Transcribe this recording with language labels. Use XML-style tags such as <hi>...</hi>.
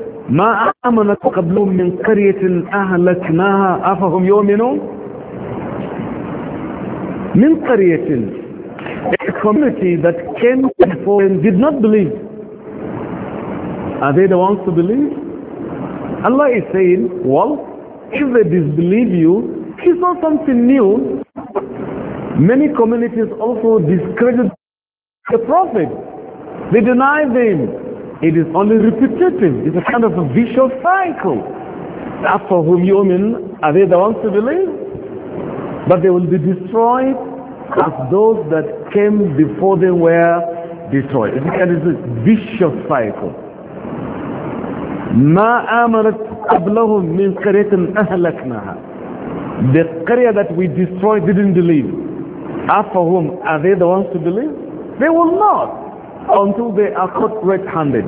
<ar>ما آمنت قبلهم من قرية أهلكناها أفهم يؤمنون من قرية</ar> <en>a community that came before and did not believe. Are they the ones to believe? Allah is saying, well, if they disbelieve you, it's not something new. Many communities also discredit the Prophet. They deny them. It is only repetitive. It's a kind of a vicious cycle. That for whom you mean, are they the ones to believe? But they will be destroyed as those that came before them were destroyed. It's a kind of a vicious cycle.</en> <ar>ما آمنت قبلهم من قرية أهلكناها.</ar> <en>The قرية that we destroyed didn't believe. After whom, are they the ones to believe? They will not until they are caught red-handed.</en>